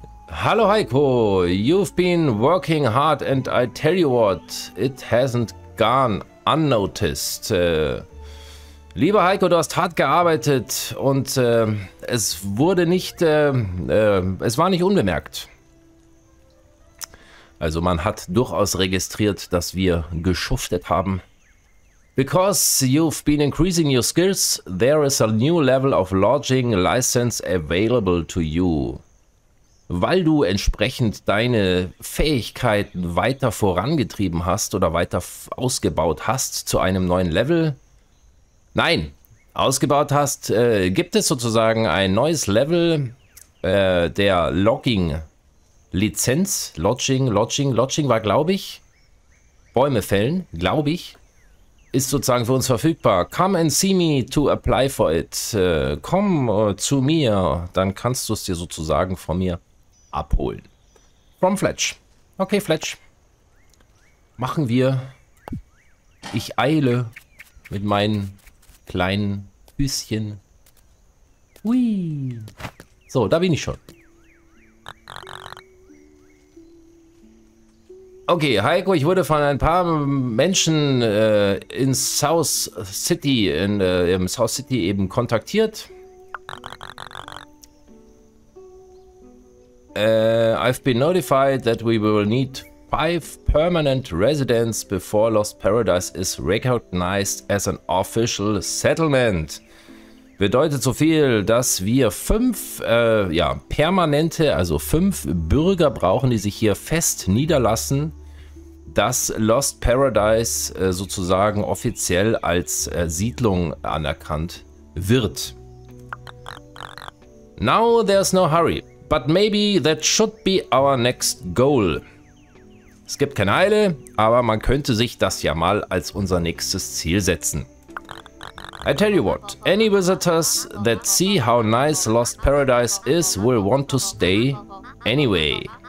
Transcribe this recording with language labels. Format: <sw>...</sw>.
<en>Hallo Heiko, you've been working hard and I tell you what, it hasn't gone unnoticed.</en> <de>Lieber Heiko, du hast hart gearbeitet und es wurde nicht, es war nicht unbemerkt. Also man hat durchaus registriert, dass wir geschuftet haben.</de> <en>Because you've been increasing your skills, there is a new level of lodging license available to you.</en> <de>Weil du entsprechend deine Fähigkeiten weiter vorangetrieben hast oder weiter ausgebaut hast zu einem neuen Level. Nein, ausgebaut hast, gibt es sozusagen ein neues Level der Logging-Lizenz. Lodging war, glaube ich, Bäume fällen, glaube ich, ist sozusagen für uns verfügbar.</de> <en>Come and see me to apply for it.</en> <de>Komm zu mir, dann kannst du es dir sozusagen von mir abholen.</de> <en>From Fletch. Okay, Fletch.</en> <de>Machen wir. Ich eile mit meinen kleinen Füßchen. Hui. So, da bin ich schon. Okay, Heiko, ich wurde von ein paar Menschen in South City, im South City eben kontaktiert.</de> <en>I've been notified that we will need 5 permanent residents before Lost Paradise is recognized as an official settlement.</en> <de>Bedeutet so viel, dass wir 5 permanente, also 5 Bürger brauchen, die sich hier fest niederlassen, dass Lost Paradise sozusagen offiziell als Siedlung anerkannt wird.</de> <en>Now there's no hurry. But maybe that should be our next goal.</en> <de>Es gibt keine Eile, aber man könnte sich das ja mal als unser nächstes Ziel setzen.</de> <en>I tell you what, any visitors that see how nice Lost Paradise is will want to stay anyway.</en>